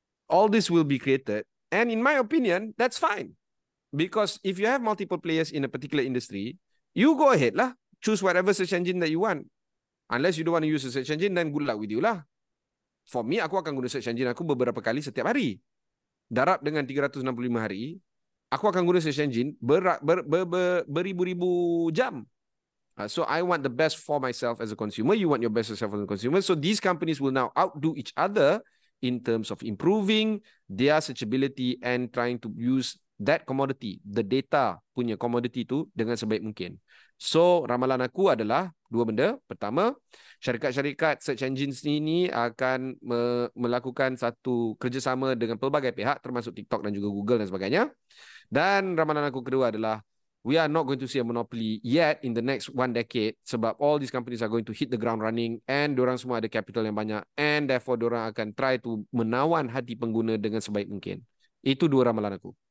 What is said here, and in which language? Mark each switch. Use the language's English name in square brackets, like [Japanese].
[English] All this will be created. And in my opinion, that's fine. Because if you have multiple players in a particular industry, you go ahead lah. Choose whatever search engine that you want. Unless you don't want to use a search engine, then good luck with you lah. For me, [Malay] aku akan guna search engine aku beberapa kali setiap hari. Darab dengan 365 hari, aku akan guna search engine beribu-ribu jam. [English] So I want the best for myself as a consumer. You want your best yourself as a consumer. So these companies will now outdo each other in terms of improving their searchability and trying to use that commodity, the data punya commodity tu [Malay] dengan sebaik mungkin. So, ramalan aku adalah dua benda. Pertama, syarikat-syarikat search engines ini akan melakukan satu kerjasama dengan pelbagai pihak termasuk TikTok dan juga Google dan sebagainya. Dan ramalan aku kedua adalah [English] we are not going to see a monopoly yet in the next one decade sebab all these companies are going to hit the ground running and [Malay] diorang semua ada capital yang banyak [English] and therefore diorang akan try to [Malay] menawan hati pengguna dengan sebaik mungkin. Itu dua ramalan aku.